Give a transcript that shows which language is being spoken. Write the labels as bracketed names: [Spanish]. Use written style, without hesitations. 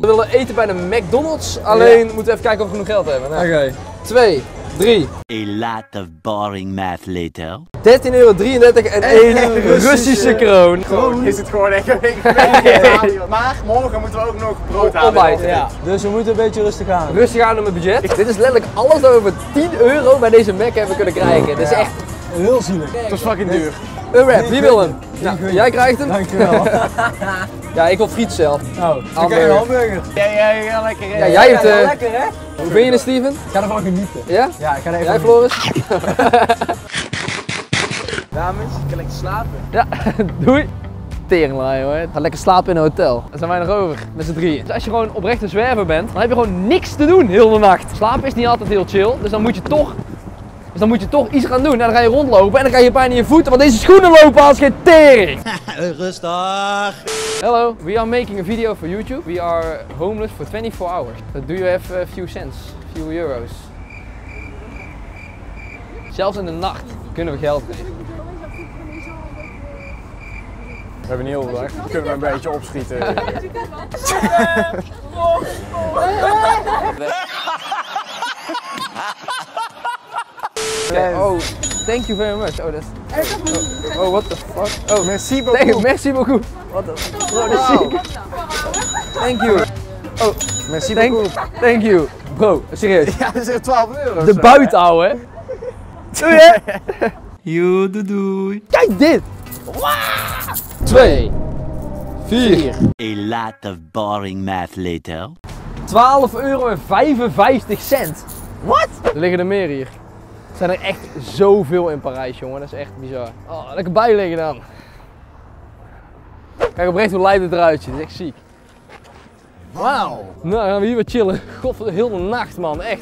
[Dutch] We willen eten bij de McDonald's, alleen moeten we even kijken of we genoeg geld hebben. Oké. Okay. 2, 3. [English] A lot of boring math later. [Dutch] 13,33 euro en 1 Russische kroon. Is het gewoon echt een week. Maar morgen moeten we ook nog brood halen. Ja. Dus we moeten een beetje rustig aan. Rustig aan op het budget. Dit is letterlijk alles dat we voor 10 euro bij deze Mac hebben kunnen krijgen. Dat is echt heel zielig. Het was fucking duur. Een rap, wie wil hem? Nou, jij krijgt hem. Dankjewel. Ja, ik wil friet zelf. Oh, ik krijg een hamburger. Jij gaat lekker, hè? Ja, jij hebt lekker, hè? Hoe ben je er, Steven? Ik ga ervan genieten. Ja? Ja, ik ga er even. Jij, Floris? Dames, ik ga lekker slapen. Ja, doei. Teringlaai, hoor. Ga lekker slapen in een hotel. Daar zijn wij nog over, met z'n drieën. Dus als je gewoon oprecht een zwerver bent, dan heb je gewoon niks te doen heel de nacht. Slapen is niet altijd heel chill, dus dan moet je toch... Dus dan moet je toch iets gaan doen. Nou, dan ga je rondlopen en dan krijg je pijn in je voeten, want deze schoenen lopen als geen tering. Rustig. [English] Hello, we are making a video for YouTube. We are homeless for 24 hours. But do you have a few cents? Few euros? [Dutch] Zelfs in de nacht kunnen we geld geven. We hebben niet heel veel. Kunnen we een beetje opschieten? [English] Okay. Oh, thank you very much. Oh, that's... Oh, what the fuck? Oh, [French] merci beaucoup. Merci beaucoup. [English] What the fuck? Wow. Merci. Thank you. Oh, [French] merci beaucoup. [English] Thank you. Bro, serieus. [Dutch] Ja, dat is echt 12 euro. De buit, ouwe. Doei, hè? Yo, doei, doei. Kijk dit. Wow. 2, 4. [English] A lot of boring math later. [Dutch] 12,55 euro. [English] What? [Dutch] Er liggen er meer hier. Er zijn er echt zoveel in Parijs, jongen. Dat is echt bizar. Oh, lekker bij liggen dan. Kijk oprecht hoe lijp het eruit ziet. Dat is echt ziek. Wauw. Nou, dan gaan we hier wat chillen. God, de hele nacht, man. Echt.